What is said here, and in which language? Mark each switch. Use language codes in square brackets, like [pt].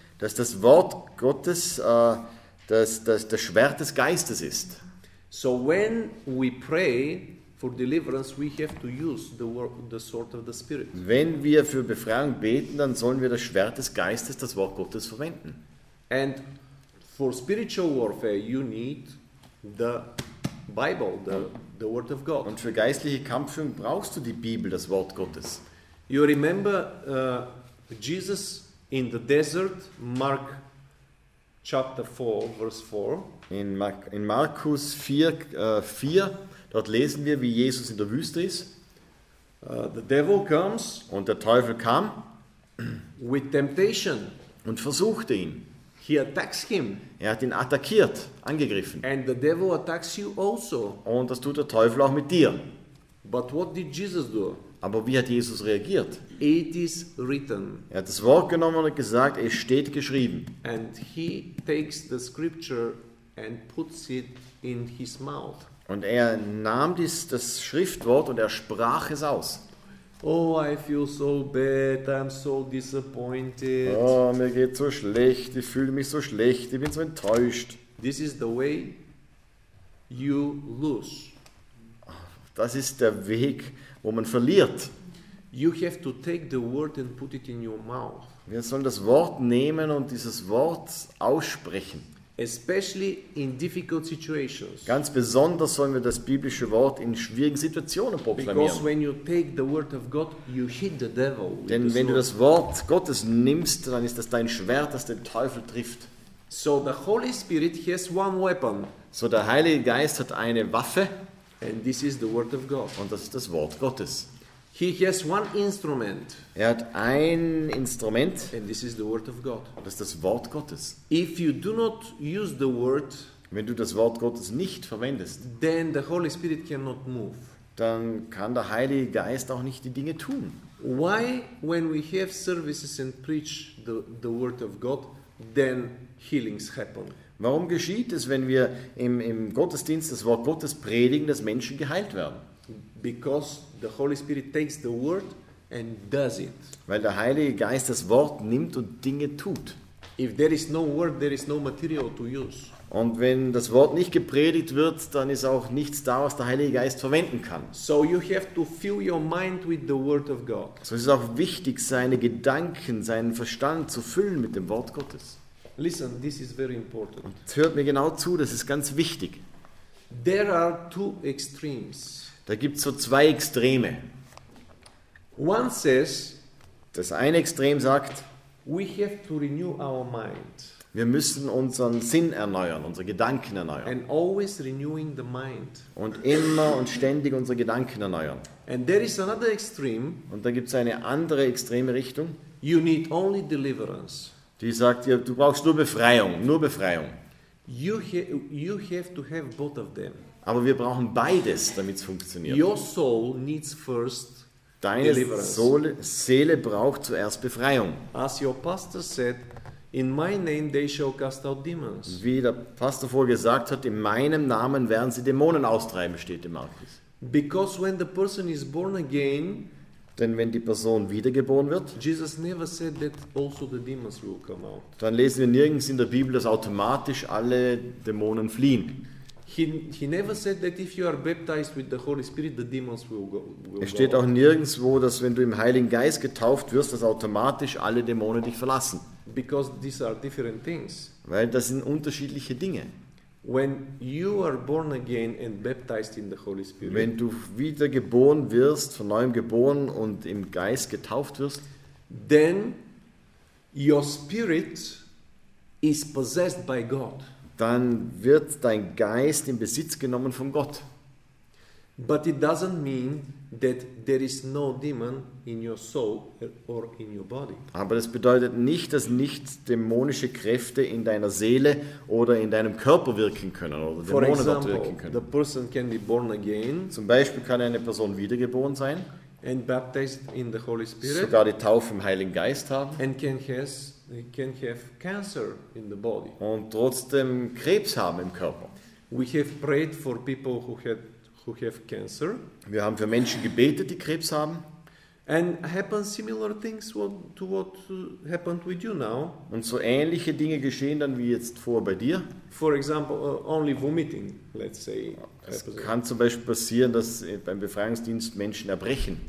[de] Dass das Wort Gottes das Schwert des Geistes ist. [en] So when we pray for deliverance, we have to use the sword of the Spirit. [de] Wenn wir für Befreiung beten, dann sollen wir das Schwert des Geistes, das Wort Gottes, verwenden. [en] And for spiritual warfare, you need the Bible, the word of God. [de] Und für geistliche Kampfführung brauchst du die Bibel, das Wort Gottes. [en] You remember Jesus in the desert, Mark chapter 4, verse 4. [de] In Markus 4, dort lesen wir, wie Jesus in der Wüste ist. [en] The devil comes. [de] Und der Teufel kam. [en] With temptation. [de] Und versuchte ihn. [en] He attacks him. [de] Er hat ihn attackiert, angegriffen. [en] And the devil attacks you also. [de] Und das tut der Teufel auch mit dir. [en] But what did Jesus do? [de] Aber wie hat Jesus reagiert? [en] It is written. [de] Er hat das Wort genommen und gesagt, es steht geschrieben. [en] And he takes the scripture and puts it in his mouth. [de] Und er nahm das Schriftwort und er sprach es aus. [en] Oh, I feel so bad, I'm so disappointed. [de] Oh, mir geht so schlecht, ich fühle mich so schlecht, ich bin so enttäuscht. [en] This is the way you lose. [de] Das ist der Weg, wo man verliert. [en] You have to take the word and put it in your mouth. [de] Wir sollen das Wort nehmen und dieses Wort aussprechen. [en] Especially in difficult situations. [de] Ganz besonders sollen wir das biblische Wort in schwierigen Situationen proklamieren. [en] Because when you take the word of God, you hit the devil. [de] Denn wenn du das Wort Gottes nimmst, dann ist das dein Schwert, das den Teufel trifft. [en] So the Holy Spirit has one weapon. [de] So der Heilige Geist hat eine Waffe. [en] And this is the word of God. [de] Und das ist das Wort Gottes. [en] He has one instrument. [de] Er hat ein Instrument. [en] And this is the word of God. [de] Und das ist das Wort Gottes. [en] If you do not use the word, [de] wenn du das Wort Gottes nicht verwendest, [en] then the Holy Spirit cannot move. [de] Dann kann der Heilige Geist auch nicht die Dinge tun. [en] Why, when we have services and preach the word of God, then healings happen? [de] Warum geschieht es, wenn wir im Gottesdienst das Wort Gottes predigen, dass Menschen geheilt werden? [en] Because the Holy Spirit takes the word and does it. [de] Weil der Heilige Geist das Wort nimmt und Dinge tut. [en] If there is no word, there is no material to use. [de] Und wenn das Wort nicht gepredigt wird, dann ist auch nichts da, was der Heilige Geist verwenden kann. [en] So you have to fill your mind with the word of God. [de] So ist es auch wichtig, seine Gedanken, seinen Verstand zu füllen mit dem Wort Gottes. [en] Listen, this is very important. [de] Und hört mir genau zu, das ist ganz wichtig. [en] There are two extremes. [de] Da gibt es so zwei Extreme. [en] One says, [de] das eine Extrem sagt, [en] we have to renew our mind. [de] Wir müssen unseren Sinn erneuern, unsere Gedanken erneuern. [en] And always renewing the mind. [de] Und immer und ständig unsere Gedanken erneuern. [en] And there is another extreme, [de] und da gibt es eine andere extreme Richtung. [en] You need only deliverance. [de] Die sagt, ja, du brauchst nur Befreiung, nur Befreiung. [en] You have to have both of them. [de] Aber wir brauchen beides, damit es funktioniert. [en] Your soul needs first [de] deine [en] deliverance. [de] Seele braucht zuerst Befreiung. [en] As your pastor said, in my name they shall cast out demons. [de] Wie der Pastor vorher gesagt hat, in meinem Namen werden sie Dämonen austreiben, steht in Markus. [en] Because when the person is born again, [de] denn wenn die Person wiedergeboren wird, [en] Jesus never said that also the demons will come out. [de] Dann lesen wir nirgends in der Bibel, dass automatisch alle Dämonen fliehen. [en] He never said that if you are baptized with the Holy Spirit, the demons will go. [de] Es steht auch nirgendwo, dass wenn du im Heiligen Geist getauft wirst, dass automatisch alle Dämonen dich verlassen. [en] Because these are different things. [de] Weil das sind unterschiedliche Dinge. [en] When you are born again and baptized in the Holy Spirit. [de] Wenn du wiedergeboren wirst, von neuem geboren und im Geist getauft wirst, [en] then your spirit is possessed by God. [de] Dann wird dein Geist in Besitz genommen von Gott. [en] But it doesn't mean that there is no demon in your soul or in your body. [de] Aber das bedeutet nicht, dass nicht dämonische Kräfte in deiner Seele oder in deinem Körper wirken können oder Dämonen dort wirken können. [en] The person can be born again. [de] Zum Beispiel kann eine Person wiedergeboren sein. [en] And baptized in the Holy Spirit. [de] Sogar die Taufe im Heiligen Geist haben. [en] And can have cancer in the body. [de] Und trotzdem Krebs haben im Körper. [en] We have prayed for people who have cancer. [de] Wir haben für Menschen gebetet, die Krebs haben. [en] And happen similar things to what happened with you now. [de] Und so ähnliche Dinge geschehen dann wie jetzt vor bei dir. [en] For example, only vomiting, let's say. [de] Es kann zum Beispiel passieren, dass beim Befreiungsdienst Menschen erbrechen.